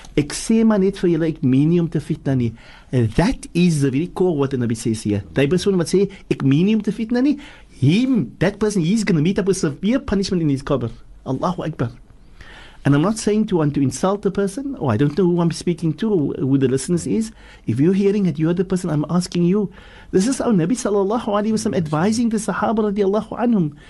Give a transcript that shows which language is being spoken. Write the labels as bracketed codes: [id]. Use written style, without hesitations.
[af] Ek sê maar net vir julle, ek meen nie om te fitness nie. [en] That is the very core what the Nabi says here. [af] Die persoon wat sê, ek meen nie om te fitness nie. [en] Him, that person, he's going to meet up with severe punishment in his cover. [ar] Allahu Akbar. [en] And I'm not saying to want to insult the person, or I don't know who I'm speaking to, who the listeners is. If you're hearing it, you're the person, I'm asking you. This is our Nabi [ar] sallallahu alayhi wa sallam [en] advising the Sahaba [ar] radiallahu anhum.